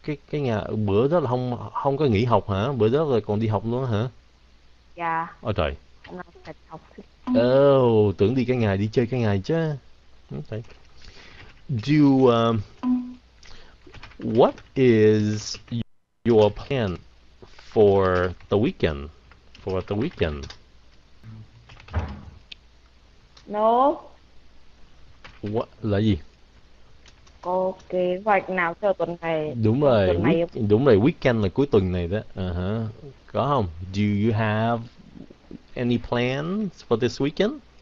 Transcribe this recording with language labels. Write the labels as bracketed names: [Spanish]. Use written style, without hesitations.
[Vietnamese] Cái nhà, bữa đó là không có nghỉ học hả? Bữa đó là còn đi học luôn hả? [English] Yeah. [Vietnamese] Ôi trời. Không phải học. Oh, tưởng đi cả ngày, đi chơi cả ngày chứ. [English] Okay. Do you, what is your plan for the weekend? For the weekend. No. [Vietnamese] What là gì? Có kế hoạch nào cho tuần này? Đúng rồi. Đúng rồi. Weekend là cuối tuần này đó. Có không? [English] Do you have any plans for this weekend?